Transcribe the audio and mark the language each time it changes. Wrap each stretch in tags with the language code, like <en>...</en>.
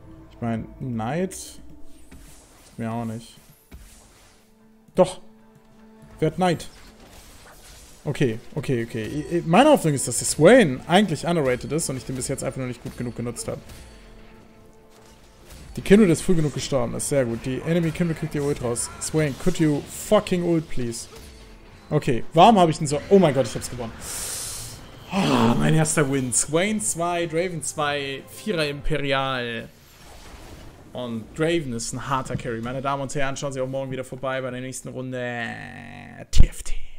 <de>Ich meine, Knight? Mir auch nicht. Doch! Werd Knight! Okay, okay, okay. Meine Hoffnung ist, dass der Swain eigentlich underrated ist und ich den bis jetzt einfach noch nicht gut genug genutzt habe. Die Kindred ist früh genug gestorben. Ist sehr gut. Die Enemy Kindred kriegt die Ult raus.</de> <en>Swain, could you fucking ult, please?</en> <de>Okay, warum habe ich denn so. Oh mein Gott, ich hab's gewonnen. Oh, mein erster Win. Swain 2, Draven 2, 4er Imperial. Und Draven ist ein harter Carry. Meine Damen und Herren, schauen Sie auch morgen wieder vorbei bei der nächsten Runde TFT.</de>